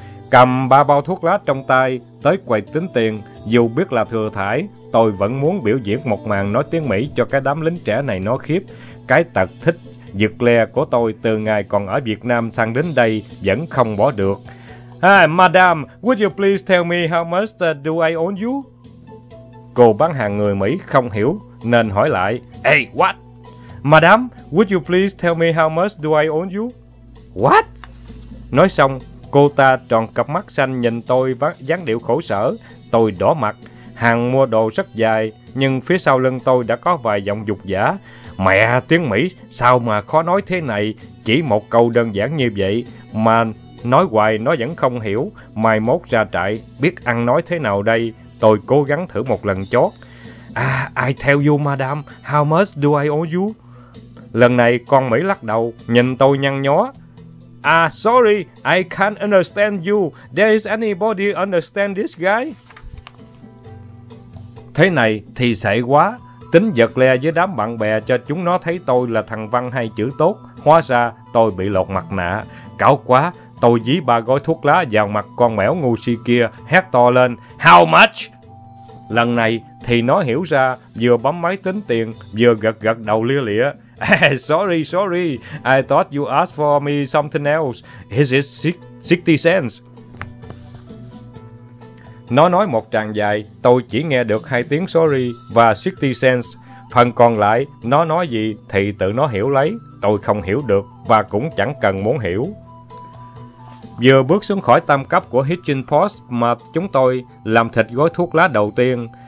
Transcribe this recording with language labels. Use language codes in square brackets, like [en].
[vi] Cầm 3 bao thuốc lá trong tay, tới quầy tính tiền, dù biết là thừa thải, tôi vẫn muốn biểu diễn một màn nói tiếng Mỹ cho cái đám lính trẻ này nó khiếp. Cái tật thích giật le của tôi từ ngày còn ở Việt Nam sang đến đây vẫn không bỏ được. [en] Hi, madam, would you please tell me how much do I owe you? [vi] Cô bán hàng người Mỹ không hiểu nên hỏi lại. [en] Hey, what? Madam, would you please tell me how much do I owe you? What? [vi] Nói xong, cô ta tròn cặp mắt xanh nhìn tôi với dáng điệu khổ sở. Tôi đỏ mặt. Hàng mua đồ rất dài, nhưng phía sau lưng tôi đã có vài giọng dục giả. Mẹ tiếng Mỹ, sao mà khó nói thế này? Chỉ một câu đơn giản như vậy mà nói hoài nó vẫn không hiểu. Mai mốt ra trại biết ăn nói thế nào đây. Tôi cố gắng thử một lần chót. [en] I tell you madam, how much do I owe you? [vi] Lần này con Mỹ lắc đầu, nhìn tôi nhăn nhó. [en] Sorry, I can't understand you. There is anybody understand this guy? [vi] Thế này thì sệ quá. Tính giật le với đám bạn bè cho chúng nó thấy tôi là thằng văn hay chữ tốt. Hóa ra tôi bị lột mặt nạ. Cáo quá, tôi dí 3 gói thuốc lá vào mặt con mèo ngu si kia, hét to lên, [en] how much? [vi] Lần này thì nó hiểu ra, vừa bấm máy tính tiền, vừa gật gật đầu lia lịa. [en] Sorry, I thought you asked for me something else. Is it 60 cents? [vi] Nó nói một tràng dài, tôi chỉ nghe được 2 tiếng sorry và 60 cents. Phần còn lại, nó nói gì thì tự nó hiểu lấy, tôi không hiểu được và cũng chẳng cần muốn hiểu. Vừa bước xuống khỏi tam cấp của Hitching Post mà chúng tôi làm thịt gói thuốc lá đầu tiên,